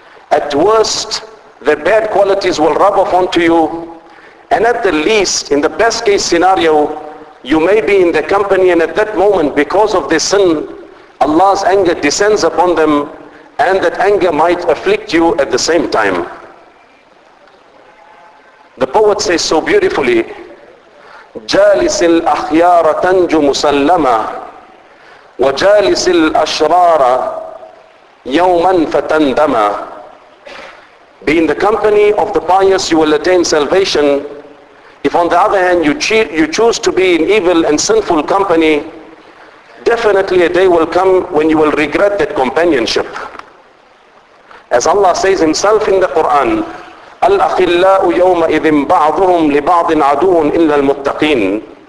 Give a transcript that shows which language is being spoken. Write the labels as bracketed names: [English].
[English] At worst, the bad qualities will rub off onto you. And at the least, in the best case scenario, you may be in the company, and at that moment, because of their sin, Allah's anger descends upon them, and that anger might afflict you at the same time. The poet says so beautifully, [Arabic] جَالِسِ الْأَخْيَارَ تَنْجُ مُسَلَّمَا وَجَالِسِ الْأَشْرَارَ يَوْمًا فَتَنْدَمَا. [English] Be in the company of the pious, you will attain salvation. If on the other hand you choose to be in evil and sinful company, definitely a day will come when you will regret that companionship. As Allah says Himself in the Quran, [Arabic] الْأَخِلَّاءُ يَوْمَئِذٍ بَعْضُهُمْ لِبَعْضٍ عَدُوٌ إِلَّا الْمُتَّقِينَ.